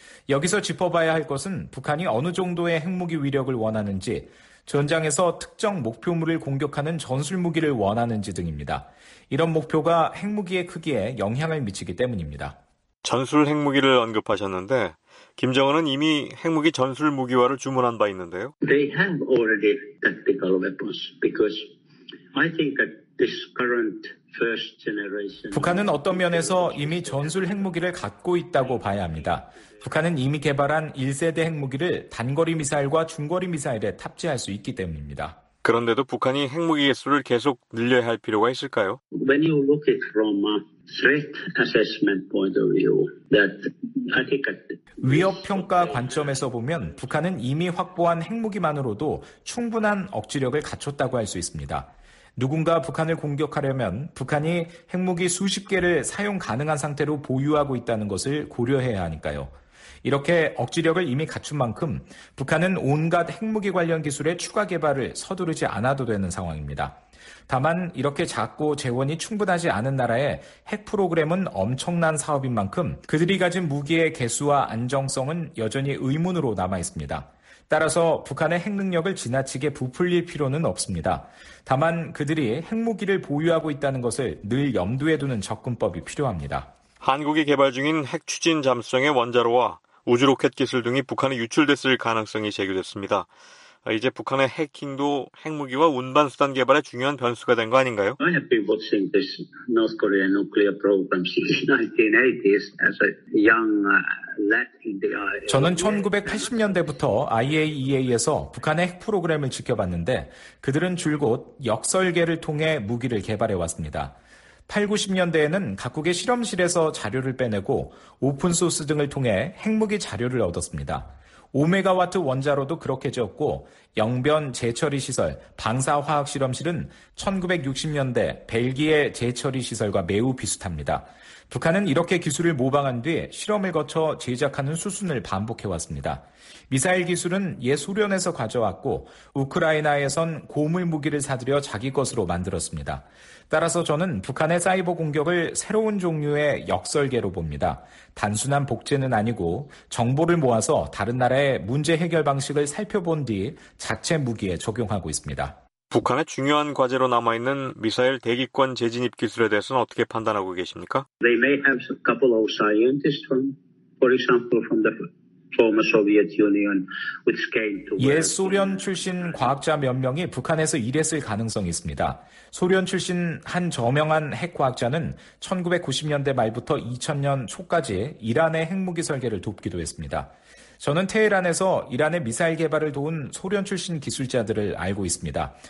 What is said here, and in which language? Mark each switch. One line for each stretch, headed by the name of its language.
Korean: 여기서 짚어봐야 할 것은 북한이 어느 정도의 핵무기 위력을 원하는지, 전장에서 특정 목표물을 공격하는 전술 무기를 원하는지 등입니다. 이런 목표가 핵무기의 크기에 영향을 미치기 때문입니다. 전술 핵무기를 언급하셨는데 김정은은 이미 핵무기 전술 무기화를 주문한 바 있는데요.
English: They have already tactical weapons because I think that this current first generation.
Korean: 북한은 어떤 면에서 이미 전술 핵무기를 갖고 있다고 봐야 합니다. 북한은 이미 개발한 1세대 핵무기를 단거리 미사일과 중거리 미사일에 탑재할 수 있기 때문입니다. 그런데도 북한이 핵무기 개수를 계속 늘려야 할 필요가 있을까요?
English: When you look at from a threat assessment point of view, that I think that
Korean: 위협 평가 관점에서 보면 북한은 이미 확보한 핵무기만으로도 충분한 억지력을 갖췄다고 할 수 있습니다. 누군가 북한을 공격하려면 북한이 핵무기 수십 개를 사용 가능한 상태로 보유하고 있다는 것을 고려해야 하니까요. 이렇게 억지력을 이미 갖춘 만큼 북한은 온갖 핵무기 관련 기술의 추가 개발을 서두르지 않아도 되는 상황입니다. 다만 이렇게 작고 재원이 충분하지 않은 나라의 핵 프로그램은 엄청난 사업인 만큼 그들이 가진 무기의 개수와 안정성은 여전히 의문으로 남아 있습니다. 따라서 북한의 핵 능력을 지나치게 부풀릴 필요는 없습니다. 다만 그들이 핵무기를 보유하고 있다는 것을 늘 염두에 두는 접근법이 필요합니다. 한국이 개발 중인 핵 추진 잠수정의 원자로와 우주 로켓 기술 등이 북한에 유출됐을 가능성이 제기됐습니다. 이제 북한의 해킹도 핵무기와 운반 수단 개발의 중요한 변수가 된 거 아닌가요?
English: I have been watching this North Korean nuclear program since 1980s as a young lad in the IAEA.
Korean: 저는 1980년대부터 IAEA에서 북한의 핵 프로그램을 지켜봤는데 그들은 줄곧 역설계를 통해 무기를 개발해 왔습니다. 80-90년대에는 각국의 실험실에서 자료를 빼내고 오픈소스 등을 통해 핵무기 자료를 얻었습니다. 5메가와트 원자로도 그렇게 지었고 영변 재처리 시설, 방사화학 실험실은 1960년대 벨기에 재처리 시설과 매우 비슷합니다. 북한은 이렇게 기술을 모방한 뒤 실험을 거쳐 제작하는 수순을 반복해왔습니다. 미사일 기술은 옛 소련에서 가져왔고 우크라이나에선 고물 무기를 사들여 자기 것으로 만들었습니다. 따라서 저는 북한의 사이버 공격을 새로운 종류의 역설계로 봅니다. 단순한 복제는 아니고 정보를 모아서 다른 나라의 문제 해결 방식을 살펴본 뒤 자체 무기에 적용하고 있습니다. 북한의 중요한 과제로 남아있는 미사일 대기권 재진입 기술에 대해서는 어떻게 판단하고 계십니까?
English: They may have a couple of scientists from, for example, from the former Soviet Union, which came to.
Korean: 옛 소련 출신 과학자 몇 명이 북한에서 일했을 가능성이 있습니다. 소련 출신 한 저명한 핵과학자는 1990년대 말부터 2000년 초까지 이란의 핵무기 설계를 돕기도 했습니다. 저는 테헤란에서 이란의 미사일 개발을 도운 소련 출신 기술자들을 알고 있습니다.